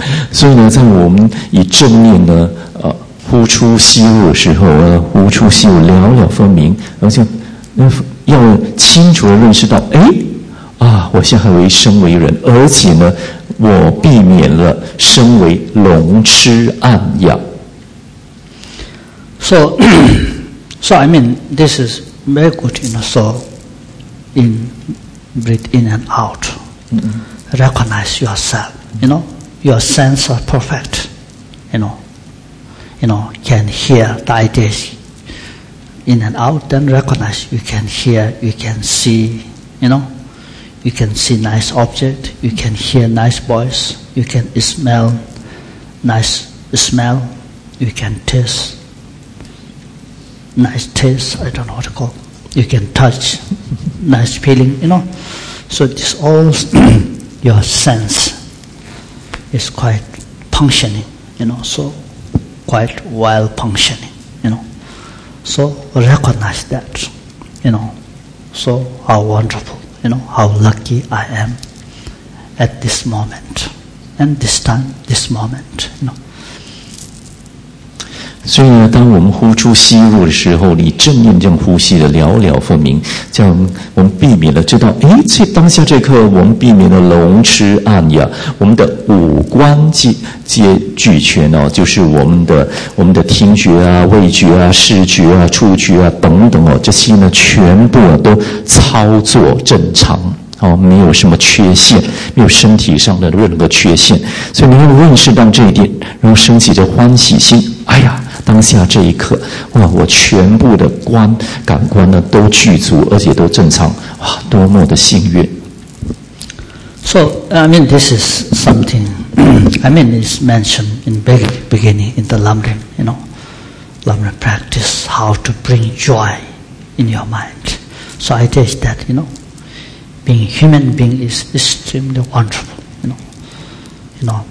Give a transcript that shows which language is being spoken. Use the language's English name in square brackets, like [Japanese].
[Chinese] 所以呢，在我们以正念呢，呼出吸入的时候，呼出吸入了了分明，而且要清楚的认识到，哎，啊，我现在为身为人，而且呢，我避免了身为龙吃暗药。 [English] So I mean, this is very good, you know, so in breathe in and out, recognize yourself, you know, your sense of perfect, you know, can hear the ideas in and out, then recognize you can hear, you can see, you know, you can see nice object, you can hear nice voice, you can smell nice smell, you can taste. Nice taste, I don't know what to call. You can touch, nice feeling, you know. So this all, your sense is quite functioning, you know. So quite well functioning, you know. So recognize that, you know. So how wonderful, you know, how lucky I am at this moment. And this time, this moment, you know. [Chinese] 所以呢，当我们呼出吸入的时候，你正念这样呼吸的了了分明，这样我们避免了知道，哎，这当下这刻我们避免了龙吃暗哑，我们的五官皆俱全哦，就是我们的听觉啊、味觉啊、视觉啊、触觉啊等等哦，这些呢全部都操作正常。哦，没有什么缺陷，没有身体上的任何缺陷，所以你要认识到这一点，然后升起这欢喜心。哎呀，当下这一刻，哇，我全部的感官呢都具足，而且都正常，哇，多么的幸运。 [English] So I mean this is something, I mean it's mentioned in the beginning in the Lamrim, you know, Lamrim practice how to bring joy in your mind. So I teach that, you know. Being human being is extremely wonderful, you know.